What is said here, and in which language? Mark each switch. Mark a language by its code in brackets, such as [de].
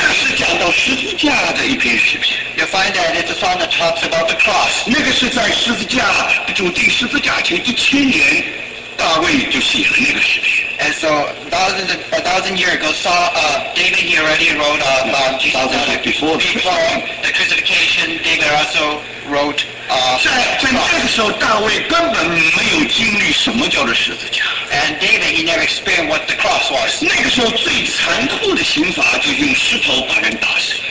[zh] 那是讲到十字架的一篇诗篇。 [en] You'll find that it's a song that talks about the cross. [zh] 那个是在十字架前1000年, 大卫就写了那个诗篇。 [en] And so a thousand years ago, David, he already wrote before the crucifixion. David also wrote [zh] 在那个时候, 大卫根本没有经历什么叫做十字架。 [en] And David, he never experienced what the cross was. [zh] 那个时候最残酷的刑罚就用石头把人打死。